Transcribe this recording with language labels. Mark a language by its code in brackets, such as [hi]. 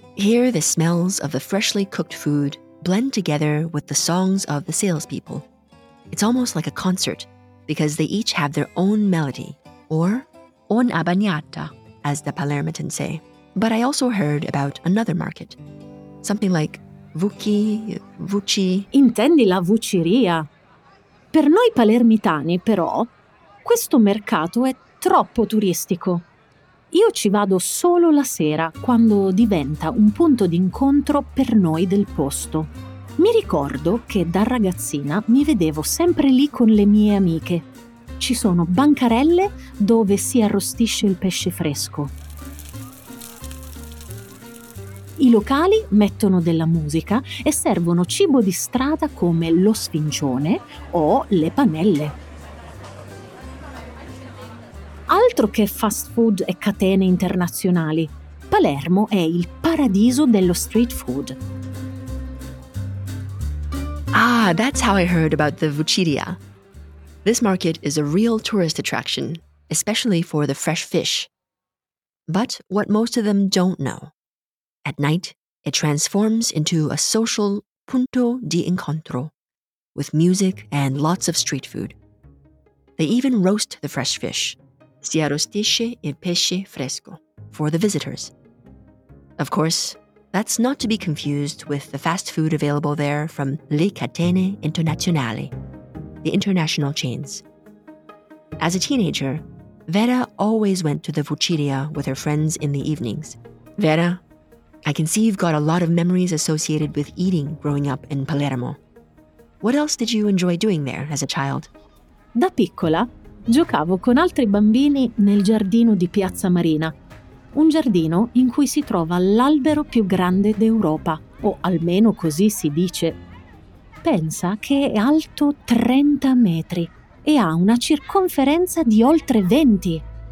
[en] Here, the smells of the freshly cooked food blend together with the songs of the salespeople. It's almost like a concert, because they each have their own melody, or [it] una bagnata, [en] as the Palermitans say. But I also heard about another market, something like Vucci, Vucci. [it] Intendi la vucceria? Per noi palermitani, però, questo mercato è troppo turistico. Io ci vado solo la sera, quando diventa un punto d'incontro per noi del posto. Mi ricordo che da ragazzina mi vedevo sempre lì con le mie amiche. Ci sono bancarelle dove si arrostisce il pesce fresco. I locali mettono della musica e servono cibo di strada come lo sfincione o le panelle. Altro che fast food e catene internazionali, Palermo è il paradiso dello street food. [en] Ah, that's how I heard about the vucceria. This market is a real tourist attraction, especially for the fresh fish. But what most of them don't know, at night, it transforms into a social [it] punto di incontro, [en] with music and lots of street food. They even roast the fresh fish. [it] Si arrostisce il pesce fresco [en] for the visitors. Of course, That's not to be confused with the fast food available there from [it] Le Catene Internazionali, [en] the international chains. As a teenager, Vera always went to the Vucciria with her friends in the evenings. Vera, I can see you've got a lot of memories associated with eating growing up in Palermo. What else did you enjoy doing there as a child? [it] Da piccola, giocavo con altri bambini nel giardino di Piazza Marina, un giardino in cui si trova l'albero più grande d'Europa, o almeno così si dice. Pensa che è alto 30 metri e ha una circonferenza di oltre 20.